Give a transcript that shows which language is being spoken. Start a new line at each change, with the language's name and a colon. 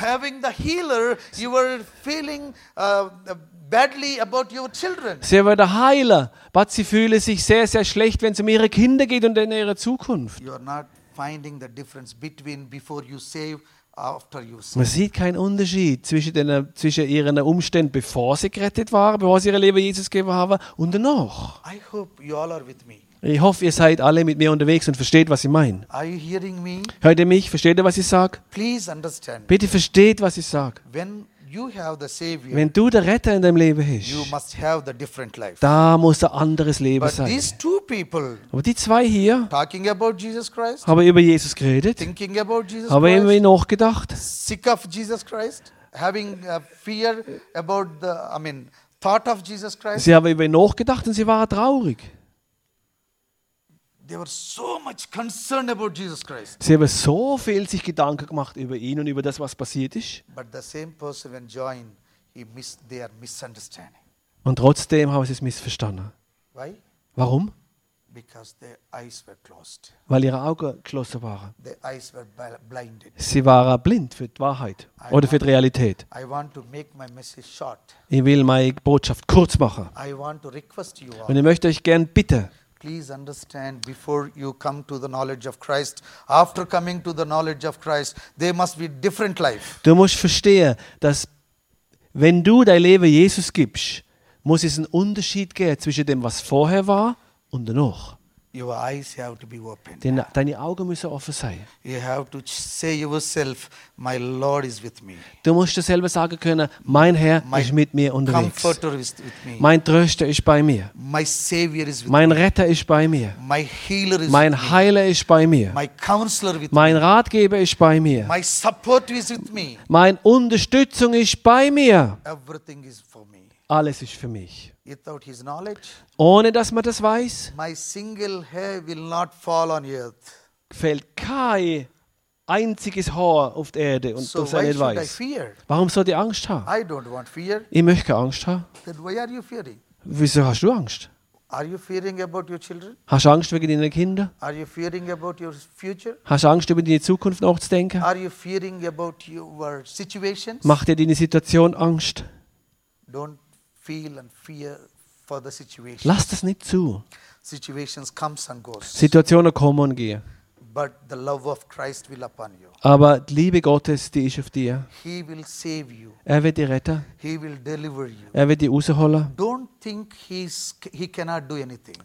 English: Having the healer, you are feeling badly about your children.
German: Sie haben den Heiler, aber sie fühlen sich sehr, sehr schlecht, wenn es um ihre Kinder geht und um ihre Zukunft.
English: You are not finding the difference between before you save.
German: Man sieht keinen Unterschied zwischen ihren Umständen, bevor sie gerettet waren, bevor sie ihre Leben Jesus gegeben haben, und danach.
English: I hope you all are with me.
German: Ich hoffe, ihr seid alle mit mir unterwegs und versteht, was ich meine.
English: Are you hearing me?
German: Hört ihr mich? Versteht ihr, was ich sage?
English: Please understand.
German: Bitte versteht, was ich sage.
English: When you have the Savior,
German: wenn du der Retter in deinem Leben bist,
English: you must have the different life.
German: Da muss ein anderes Leben
English: But
German: sein.
English: These two people,
German: aber die zwei hier
English: talking about Jesus Christ,
German: haben über Jesus geredet,
English: thinking about Jesus
German: haben
English: Christ,
German: über ihn nachgedacht,
English: sick of Jesus Christ, having a fear about the, I mean, thought of Jesus Christ.
German: Sie haben über ihn nachgedacht und sie waren traurig.
English: They were so much concerned about Jesus Christ.
German: Sie haben so viel sich Gedanken gemacht über ihn und über das, was passiert ist.
English: But the same person when joined, he missed their misunderstanding.
German: Und trotzdem haben sie es missverstanden.
English: Why?
German: Warum?
English: Because their eyes were closed.
German: Weil ihre Augen geschlossen waren.
English: Their eyes were blinded.
German: Sie waren blind für die Wahrheit oder für die Realität.
English: I want to make my message short.
German: Ich will meine Botschaft kurz machen.
English: I want to request you all.
German: Und ich möchte euch gern bitten.
English: Please understand, before you come to the knowledge of Christ, after coming to the knowledge of Christ, there must be different life.
German: Du musst verstehen, dass wenn du dein Leben Jesus gibst, muss es einen Unterschied geben zwischen dem, was vorher war und danach.
English: Your eyes have to be open.
German: Deine Augen müssen offen sein.
English: You have to say yourself, my Lord is with me.
German: Du musst dir selber sagen können, mein Herr ist mit mir unterwegs.
English: Comforter is with me.
German: Mein Tröster ist bei mir.
English: My Savior is with
German: mein Retter ist bei mir.
English: My Healer is
German: mein Heiler ist bei mir.
English: My Counselor with
German: mein Ratgeber ist bei mir.
English: My Supporter is with me.
German: Meine Unterstützung ist bei mir.
English: Everything is for me.
German: Alles ist für mich.
English: Without his knowledge,
German: ohne dass man das weiß,
English: my single hair will not fall on earth.
German: Fällt kein einziges Haar auf der Erde und so das er nicht weiß. Warum soll ich Angst haben?
English: I don't want fear.
German: Ich möchte keine Angst haben.
English: Then why are you fearing?
German: Wieso hast du Angst?
English: Are you fearing about your children?
German: Hast du Angst wegen deinen Kindern?
English: Are you fearing about your future?
German: Hast du Angst, über deine Zukunft nachzudenken?
English: Are you fearing about your situations?
German: Macht dir deine Situation Angst?
English: Don't feel and fear for the situation.
German: Lass das nicht zu.
English: Situations comes and goes.
German: Situationen kommen und gehen.
English: But the love of Christ will upon you.
German: Aber die Liebe Gottes, die ist auf dir.
English: He will save you.
German: Er wird dich retten.
English: He will deliver you.
German: Er wird dich rausholen.
English: Don't think he cannot do anything.